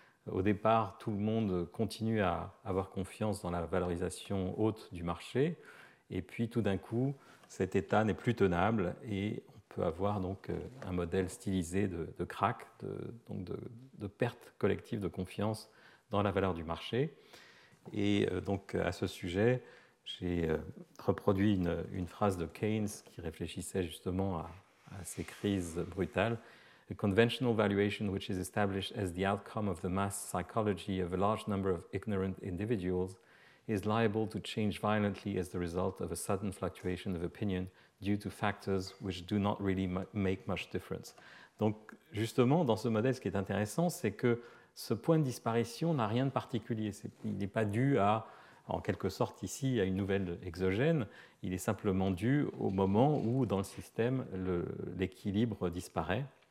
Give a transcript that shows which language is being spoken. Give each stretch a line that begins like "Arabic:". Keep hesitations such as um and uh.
French: Au départ, tout le monde continue à avoir confiance dans la valorisation haute du marché, et puis tout d'un coup, cet état n'est plus tenable et on peut avoir donc un modèle stylisé de, de crack, de, donc de, de, perte collective de confiance dans la valeur du marché. Et donc à ce sujet, j'ai reproduit une, une, phrase de Keynes qui réfléchissait justement à, à, ces crises brutales.
English: A conventional valuation which is established as the outcome of the mass psychology of a large number of ignorant individuals is liable to change violently as the result of a sudden fluctuation of opinion due to factors which do not really make much difference.
French: Donc justement, dans ce modèle, ce qui est intéressant, c'est que ce point de disparition n'a rien de particulier. il n'est pas dû à, en quelque sorte ici, à une nouvelle exogène. Il est simplement dû au moment où, dans le système, l'équilibre disparaît.